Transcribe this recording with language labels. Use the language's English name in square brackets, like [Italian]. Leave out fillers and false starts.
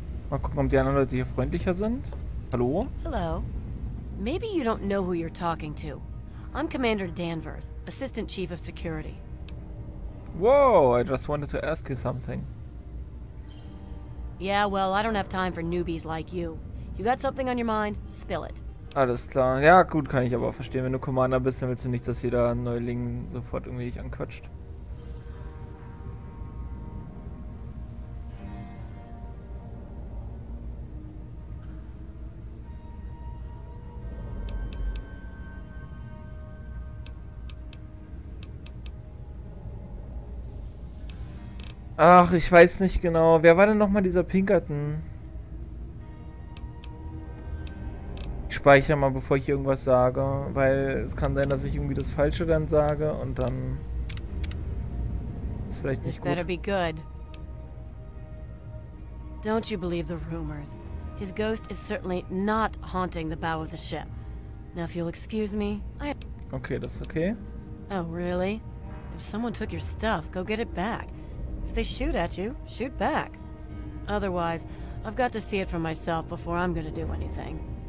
[German] Mal gucken, ob die anderen Leute hier freundlicher sind. Hallo? [English] Hello. Maybe you don't know who you're talking to. I'm Commander Danvers, Assistant Chief of Security. Whoa, I just wanted to ask you something. Yeah, well, I don't have time for newbies like you. You got something on your mind? Spill it. [German] Alles klar. Ja, gut, kann ich aber verstehen. Wenn du Commander bist, dann willst du nicht, dass jeder Neuling sofort irgendwie dich anquatscht. Ach, ich weiß nicht genau. Wer war denn nochmal dieser Pinkerton? Ich speichere mal, bevor ich irgendwas sage. Weil es kann sein, dass ich irgendwie das Falsche dann sage und dann ist vielleicht nicht gut. [English] Better be good. Don't you believe the rumors? His ghost is certainly not haunting the bow of the ship. Now if you'll excuse me, I... [German] Okay, das ist okay. [English] Oh, really? If someone took your stuff, go get it back. If they shoot at you, shoot back. Otherwise, I've got to see it for myself before I'm gonna do anything.